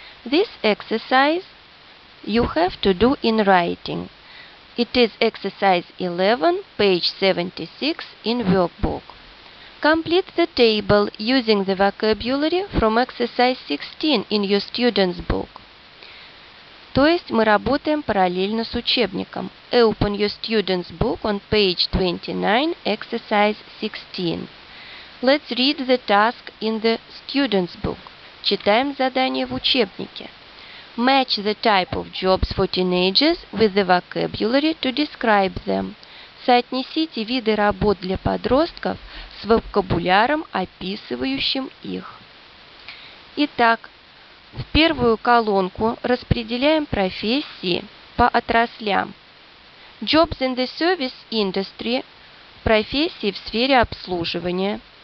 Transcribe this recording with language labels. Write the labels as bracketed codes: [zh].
[en] This exercise you have to do in writing. It is exercise 11, page 76 in workbook. Complete the table using the vocabulary from exercise 16 in your student's book. [ru] То есть мы работаем параллельно с учебником. [en] Open your student's book on page 29, exercise 16. Let's read the task in the student's book. [ru] Читаем задание в учебнике. [en] Match the type of jobs for teenagers with the vocabulary to describe them. [ru] Соотнесите виды работ для подростков с вокабуляром, описывающим их. Итак, в первую колонку распределяем профессии по отраслям. [en] Jobs in the service industry – [ru] профессии в сфере обслуживания.